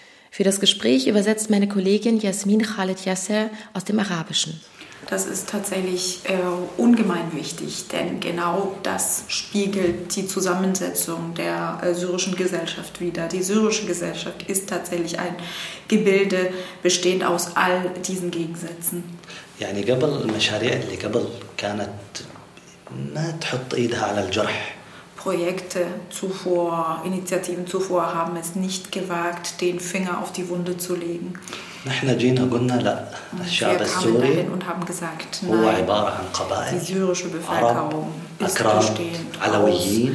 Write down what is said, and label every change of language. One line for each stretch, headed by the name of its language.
German: Für das Gespräch übersetzt meine Kollegin Jasmin Khaled Yasser aus dem Arabischen. Das ist tatsächlich ungemein wichtig, denn genau das spiegelt die Zusammensetzung der syrischen Gesellschaft wider. Die syrische Gesellschaft ist tatsächlich ein Gebilde, bestehend aus all diesen Gegensätzen.
Arabic: يعني قبل المشاريع اللي قبل كانت ما تحط ايدها على الجرح.
German: Projekte zuvor, Initiativen zuvor haben es nicht gewagt, den Finger auf die Wunde zu legen. Wir kamen dahin und haben gesagt, nein, die syrische Bevölkerung ist bestehend aus